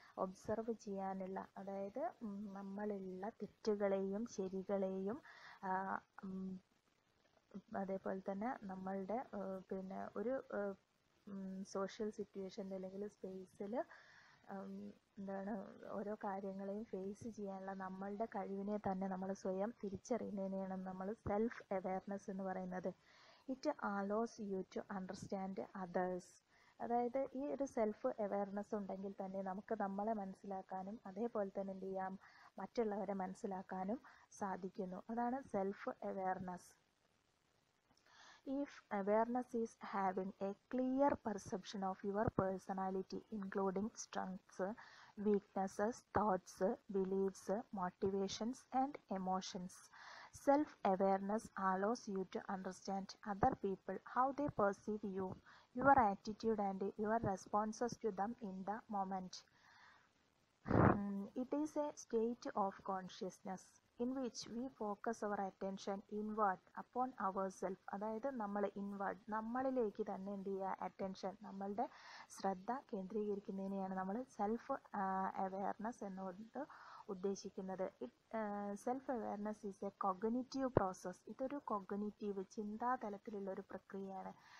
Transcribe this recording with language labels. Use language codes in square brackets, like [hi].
[ml] Observe ചെയ്യാനുള്ള, അതായത് നമ്മളുള്ള തെറ്റുകളെയും ശരികളെയും അതേപോലെ തന്നെ നമ്മളുടെ പിന്നെ ഒരു സോഷ്യൽ സിറ്റുവേഷൻ അല്ലെങ്കിൽ സ്പേസിൽ എന്താണ് ഓരോ കാര്യങ്ങളെയും ഫേസ് ചെയ്യാനുള്ള നമ്മളുടെ കഴിവിനെ തന്നെ നമ്മൾ സ്വയം തിരിച്ചറിയുന്നതിനെയാണ് നമ്മൾ സെൽഫ് അവെയർനെസ് എന്ന് പറയുന്നത്. [en] It allows you to understand others. [ml] അതായത് ഈ ഒരു സെൽഫ് അവെയർനെസ് ഉണ്ടെങ്കിൽ തന്നെ നമുക്ക് നമ്മളെ മനസ്സിലാക്കാനും അതേപോലെ തന്നെ എന്ത് ചെയ്യാം? മറ്റുള്ളവരെ മനസ്സിലാക്കാനും സാധിക്കുന്നു. അതാണ് self awareness. [en] If awareness is having a clear perception of your personality, including strengths, weaknesses, thoughts, beliefs, motivations, and emotions. Self-awareness allows you to understand other people, how they perceive you, your attitude, and your responses to them in the moment. It is a state of consciousness in which we focus our attention inward upon ourselves. [ml] അതായത് നമ്മൾ inward നമ്മളിലേക്ക് തന്നെ എന്ത് ചെയ്യുക, attention നമ്മളുടെ ശ്രദ്ധ കേന്ദ്രീകരിക്കുന്നതിനെയാണ് നമ്മൾ self awareness എന്നുകൊണ്ട് ഉദ്ദേശിക്കുന്നത്. [en] Self awareness is a cognitive process. [ml] ഇതൊരു കൊഗ്നിറ്റീവ് ചിന്താ തലത്തിലുള്ള ഒരു പ്രക്രിയയാണ്.